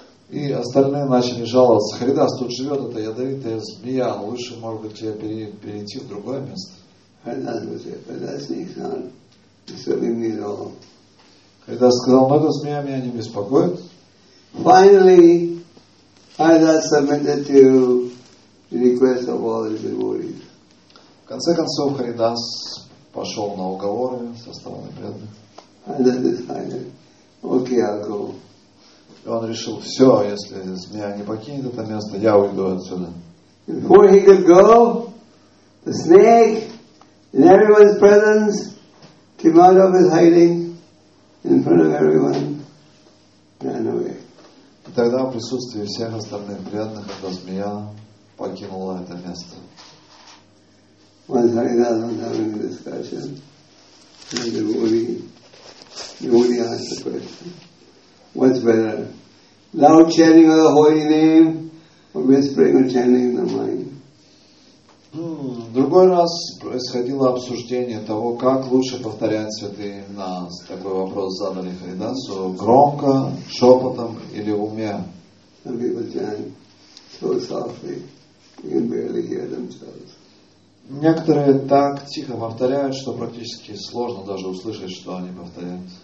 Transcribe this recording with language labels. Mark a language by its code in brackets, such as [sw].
[ru] И остальные начали жаловаться. Харидас, тут живет эта ядовитая змея. Лучше, может быть, тебе перейти в другое место. Харидас сказал, но эта змея меня не беспокоит. [en] Finally, Харидас submitted to the request of all his devotees. [ru] В конце концов, Харидас пошел на уговоры со стороны преданных. [en] Харидас decided, okay, I'll go. [ru] И он решил, все, если змея не покинет это место, я уйду отсюда. [en] Before he could go, the snake in everyone's presence came out of his hiding in front of everyone and ran away. [ru] И тогда в присутствии всех остальных преданных эта змея покинула это место. [en] Once Haridas was having a discussion with the devotee asked the question, what's better? Loud chanting of the holy name or whispering and chanting in the mind. [ru] Другой раз происходило обсуждение того, как лучше повторять святые имена. Такой вопрос задали Харидасу. Громко, шепотом или в уме? [en] Some people chant so softly, you can barely hear themselves. [ru] Некоторые так тихо повторяют, что практически сложно даже услышать, что они повторяют.